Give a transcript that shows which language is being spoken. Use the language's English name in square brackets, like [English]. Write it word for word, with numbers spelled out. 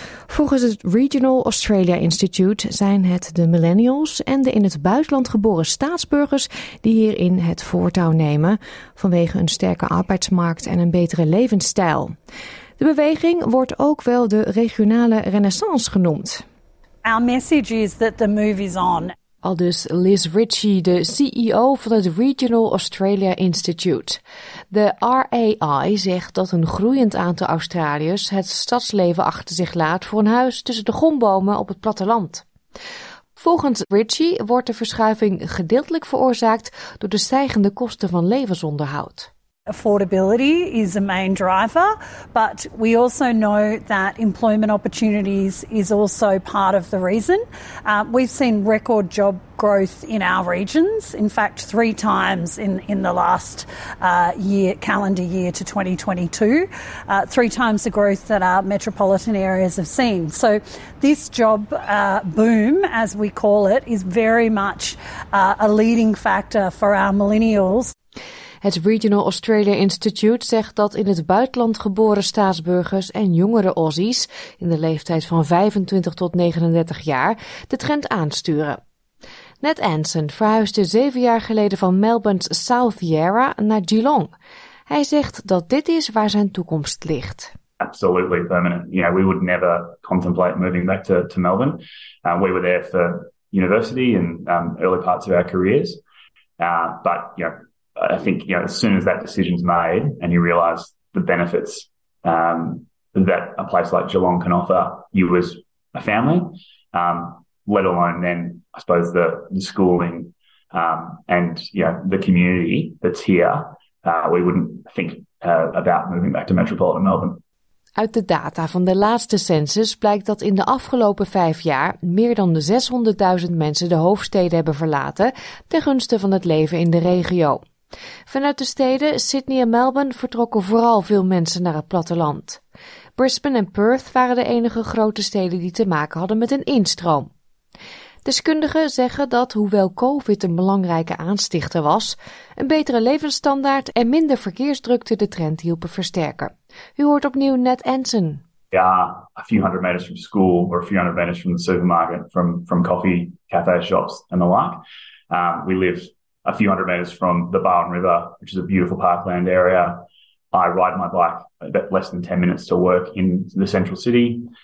[Dutch] Volgens het Regional Australia Institute zijn het de millennials en de in het buitenland geboren staatsburgers die hierin het voortouw nemen vanwege een sterke arbeidsmarkt en een betere levensstijl. De beweging wordt ook wel de regionale renaissance genoemd. [English] Our message is that the move is on. [Dutch] Aldus Liz Ritchie, de C E O van het Regional Australia Institute. De R A I zegt dat een groeiend aantal Australiërs het stadsleven achter zich laat voor een huis tussen de gombomen op het platteland. Volgens Ritchie wordt de verschuiving gedeeltelijk veroorzaakt door de stijgende kosten van levensonderhoud. [English] Affordability is a main driver, but we also know that employment opportunities is also part of the reason. Uh, we've seen record job growth in our regions, in fact three times in, in the last uh, year, calendar year to twenty twenty-two, uh, three times the growth that our metropolitan areas have seen. So this job uh, boom, as we call it, is very much uh, a leading factor for our millennials. [Dutch] Het Regional Australia Institute zegt dat in het buitenland geboren staatsburgers en jongere Aussies in de leeftijd van vijfentwintig tot negenendertig jaar de trend aansturen. Ned Anson verhuisde zeven jaar geleden van Melbourne's South Yarra naar Geelong. Hij zegt dat dit is waar zijn toekomst ligt. [English] Absolutely permanent. You know, we would never contemplate moving back to, to Melbourne. Uh, we were there for university and um, early parts of our careers. Uh, but, you know, I think, you know, as soon as that decision's made and you realise the benefits um, that a place like Geelong can offer you as a family, um, let alone then, I suppose, the, the schooling um, and, you know, the community that's here, uh, we wouldn't think uh, about moving back to metropolitan Melbourne. [Dutch] Uit de data van de laatste census blijkt dat in de afgelopen vijf jaar meer dan de zeshonderdduizend mensen de hoofdsteden hebben verlaten ten gunste van het leven in de regio. Vanuit de steden Sydney en Melbourne vertrokken vooral veel mensen naar het platteland. Brisbane en Perth waren de enige grote steden die te maken hadden met een instroom. Deskundigen zeggen dat, hoewel COVID een belangrijke aanstichter was, een betere levensstandaard en minder verkeersdrukte de trend hielpen versterken. U hoort opnieuw Ned Anson. [English] Ja, a few hundred meters from school or a few hundred meters from the supermarket, from, from coffee, cafe shops and the like. Um, we live a few hundred metres from the Barwon River, which is a beautiful parkland area. I ride my bike about less than ten minutes to work in the central city.